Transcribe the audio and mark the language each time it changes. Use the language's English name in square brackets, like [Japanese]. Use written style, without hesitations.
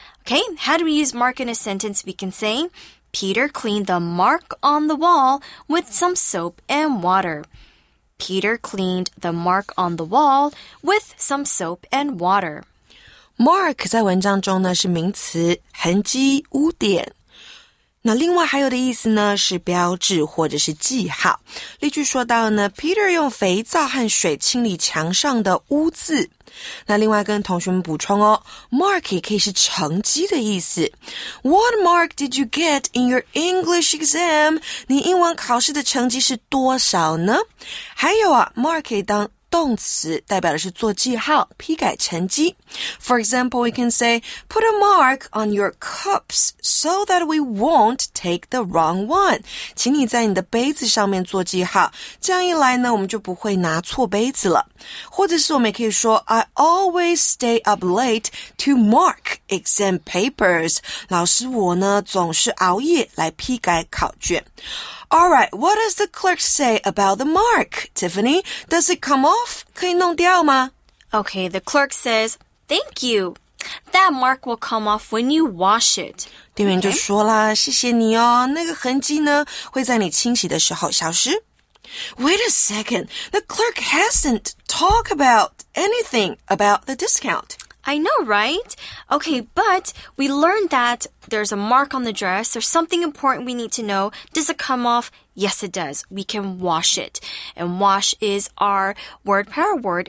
[English] Okay, how do we use mark in a sentence? We can say, Peter cleaned the mark on the wall with some soap and water. Peter cleaned the mark on the wall with some soap and water. [Chinese] Mark 在文章中呢是名词痕迹污点。那另外还有的意思呢是标志或者是记号。例句说到呢 ,Peter 用肥皂和水清理墙上的污渍。那另外跟同学们补充哦 ,Mark 也可以是成绩的意思。 [English] What mark did you get in your English exam? [Chinese] 你英文考试的成绩是多少呢还有啊 ,Mark 可以当动词代表的是做记号批改成绩 [English] For example, we can say Put a mark on your cups So that we won't take the wrong one [Chinese] 请你在你的杯子上面做记号这样一来呢我们就不会拿错杯子了或者是我们也可以说 [English] I always stay up late to mark exam papers [Chinese] 老师我呢总是熬夜来批改考卷 [English] Alright, what does the clerk say about the mark, Tiffany? Does it come off? [Chinese] 可以弄掉吗? [English] Okay, the clerk says, thank you. That mark will come off when you wash it. [Chinese] 店员就说啦,谢谢你哦,那个痕迹呢,会在你清洗的时候消失。 [English] Wait a second, the clerk hasn't talked about anything about the discount. I know, right? Okay, but we learned that there's a mark on the dress. There's something important we need to know. Does it come off? Yes, it does. We can wash it. And wash is our word pair word.